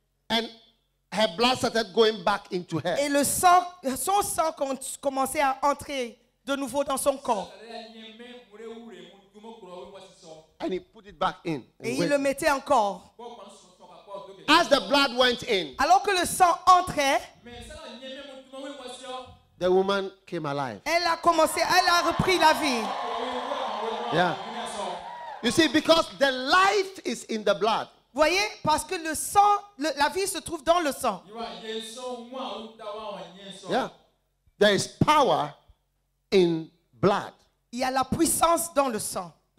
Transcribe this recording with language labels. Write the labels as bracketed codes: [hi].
[en] And her blood started going back into her. [fr] Et le sang, son sang commençait à entrer de nouveau dans son corps. [en] And he put it back in. [fr] Et il le mettait encore. [en] As the blood went in. [fr] Alors que le sang entrait. [en] The woman came alive. [fr] Elle a repris la vie. [en] Yeah. You see, because the life is in the blood. [fr] Voyez, parce que le sang, la vie se trouve dans le sang. [en] Yeah. There is power in blood. [fr] Il y a la puissance dans le sang.